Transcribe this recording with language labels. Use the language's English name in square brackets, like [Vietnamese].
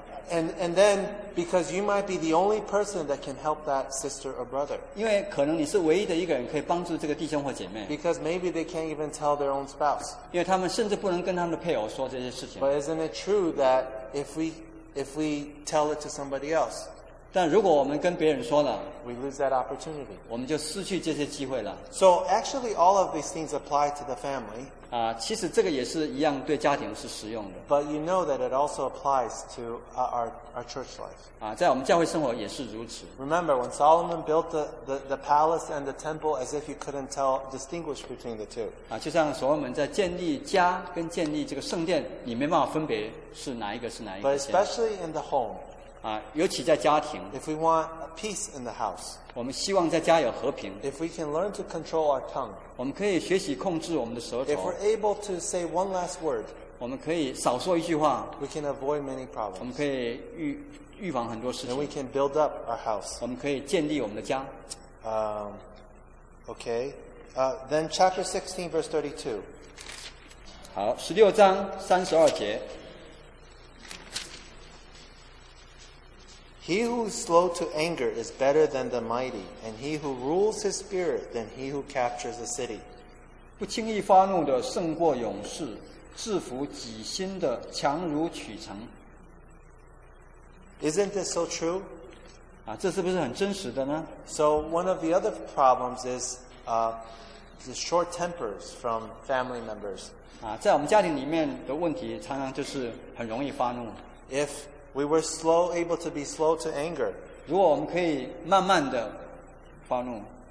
[English] And then because you might be the only person that can help that sister or brother. [Chinese] 因为可能你是唯一的一个人可以帮助这个弟兄或姐妹。 [English] Because maybe they can't even tell their own spouse. [Chinese] 因为他们甚至不能跟他们的配偶说这些事情。 [English] But isn't it true that if we tell it to somebody else? [Chinese] 但如果我们跟别人说了 [English] we lose that opportunity. [Chinese] 我们就失去这些机会了。 [English] So actually all of these things apply to the family. [Chinese] 其实这个也是一样对家庭是实用的。 [English] But you know that it also applies to our church life. [Chinese] 在我们教会生活也是如此。 [English] Remember, when Solomon built the palace and the temple as if you couldn't distinguish between the two. [Chinese] 就像所罗门在建立家跟建立这个圣殿你没办法分别是哪一个是哪一个。 [English] But especially in the home, [Chinese] 尤其在家庭 [English] if we want peace in the house, [Chinese] 我们希望在家有和平 [English] if we can learn to control our tongue, [Chinese] 我们可以学习控制我们的舌头 [English] if we're able to say one last word, [Chinese] 我们可以少说一句话 [English] we can avoid many problems, [Chinese] 我们可以 预防很多事情 [English] and we can build up our house, [Chinese] 我们可以建立我们的家 [English] okay, then chapter 16 verse 32 [Chinese] 好16章32节 [English] He who is slow to anger is better than the mighty, and he who rules his spirit than he who captures a city. [Chinese] 不轻易发怒的胜过勇士，制服己心的强如取城。 [English] Isn't this so true? [Chinese] 啊，这是不是很真实的呢？ [English] So one of the other problems is the short tempers from family members. [Chinese] 啊，在我们家庭里面的问题常常就是很容易发怒。 [English] If we were able to be slow to anger, [Chinese] 如果我们可以慢慢的发怒，